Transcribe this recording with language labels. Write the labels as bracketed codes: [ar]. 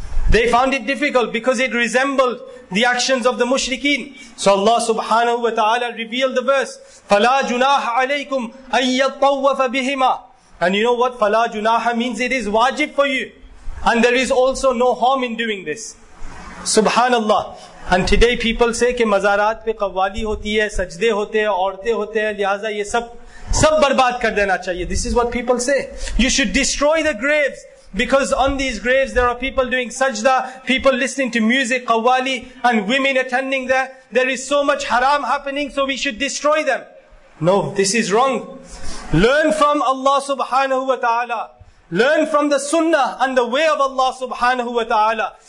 [en] They found it difficult because it resembled the actions of the mushrikeen. So Allah subhanahu wa ta'ala revealed the verse, [ar] فَلَا جُنَاحَ عَلَيْكُمْ أَن يَطَّوَّفَ بِهِمَا. [en] And you know what فَلَا جُنَاحَ means? It is wajib for you. And there is also no harm in doing this. Subhanallah. And today people say [ur] کہ مزارات پہ قوالی ہوتی ہے، سجدے ہوتے ہے، عورتے ہوتے ہے، لہٰذا یہ سب برباد کر دینا چاہیے۔ [en] This is what people say. You should destroy the graves, because on these graves there are people doing sajda, people listening to music, qawwali, and women attending there. There is so much haram happening, so we should destroy them. No, this is wrong. Learn from Allah subhanahu wa ta'ala. Learn from the sunnah and the way of Allah subhanahu wa ta'ala.